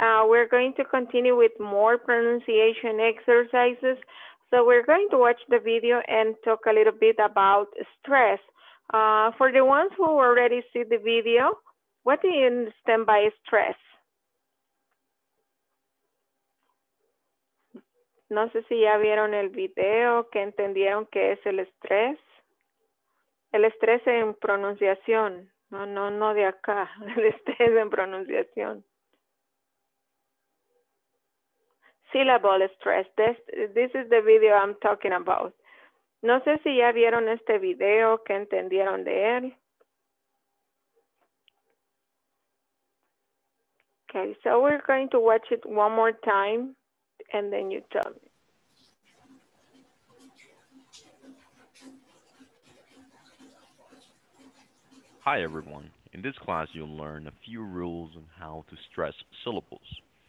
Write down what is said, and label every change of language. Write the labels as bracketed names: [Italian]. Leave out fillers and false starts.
[English] We're going to continue with more pronunciation exercises. So we're going to watch the video and talk a little bit about stress. For the ones who already see the video, what do you understand by stress? [Spanish] No sé si ya vieron el video, que entendieron qué es el estrés. El estrés en pronunciación. No, no, no de acá. El estrés en pronunciación. [English] Syllable stress. This is the video I'm talking about. [Spanish] No sé si ya vieron este video, qué entendieron de él. [English] Okay, so we're going to watch it one more time. And then you tell me. Hi everyone. In this class, you'll learn a few rules on how to stress syllables.